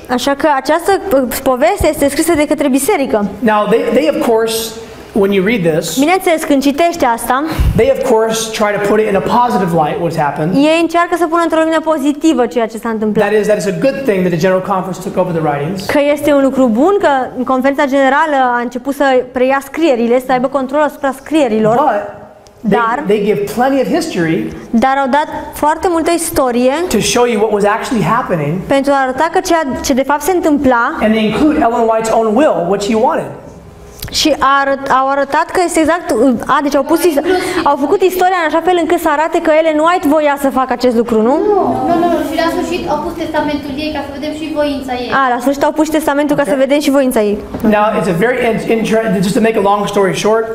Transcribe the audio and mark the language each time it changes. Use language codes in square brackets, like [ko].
[ro] Așa că această poveste este scrisă de către biserică. [en] Now they of course when you read this. [ro] Bineînțeles, când citești asta. [en] They of course try to put it in a positive light what's happened. [ro] Ei încearcă să pună într-o lumină pozitivă ceea ce s-a întâmplat. [en] That is a good thing that the general conference took over the writings. [ro] Că este un lucru bun că conferința generală a început să preia scrierile, să aibă control asupra scrierilor. [en] They give plenty of history. [ro] Dar au dat foarte multă istorie. [en] To show you what was actually happening. [ro] Pentru a arăta că ce de fapt se întâmpla. [en] And they include Ellen White's own will, what she wanted. [ro] Și au arătat că este exact deci au pus au făcut istoria în așa fel încât să arate că Ellen White voia să facă acest lucru, nu? Nu, și la sfârșit au pus testamentul ei ca să vedem și voința ei. La sfârșit au pus testamentul ca să vedem și voința ei. [en] Now, it's a very interesting just to make a long story short.